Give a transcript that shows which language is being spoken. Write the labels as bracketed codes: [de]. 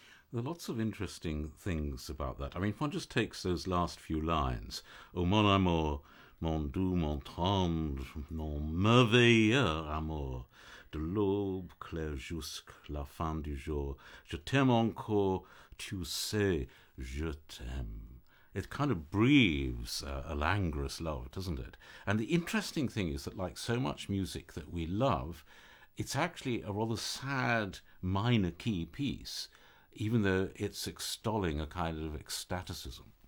[en] There are lots of interesting things about that. I mean, if one just takes those last few lines, [fr] oh mon amour, mon doux, mon tendre, mon merveilleux amour, de l'aube claire jusqu'à la fin du jour, je t'aime encore, tu sais, je t'aime. [en] It kind of breathes a languorous love, doesn't it? And the interesting thing is that, like so much music that we love, it's actually a rather sad minor key piece, even though it's extolling a kind of ecstaticism.